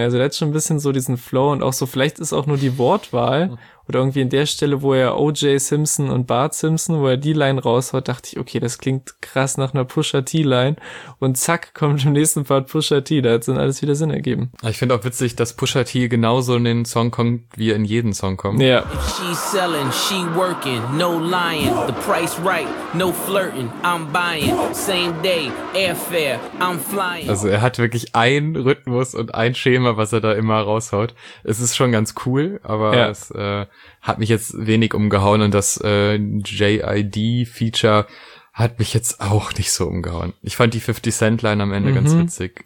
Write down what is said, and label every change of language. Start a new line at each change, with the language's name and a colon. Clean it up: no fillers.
German: Also der hat schon ein bisschen so diesen Flow und auch so, vielleicht ist auch nur die Wortwahl oder irgendwie in der Stelle, wo er O.J. Simpson und Bart Simpson, wo er die Line raushaut, dachte ich, okay, das klingt krass nach einer Pusha T-Line und zack, kommt im nächsten Part Pusha T. Da hat es dann alles wieder Sinn ergeben. Ich finde auch witzig, dass Pusha T genauso in den Song kommt, wie er in jeden Song kommt. Ja.
English: She's selling, she working, no lying, the price right, no flirting, I'm buying, same day, airfare, I'm flying.
German: Also er hat wirklich einen Rhythmus und ein Schema, was er da immer raushaut. Es ist schon ganz cool, aber ja, es hat mich jetzt wenig umgehauen und das JID-Feature hat mich jetzt auch nicht so umgehauen. Ich fand die 50 Cent-Line am Ende ganz witzig.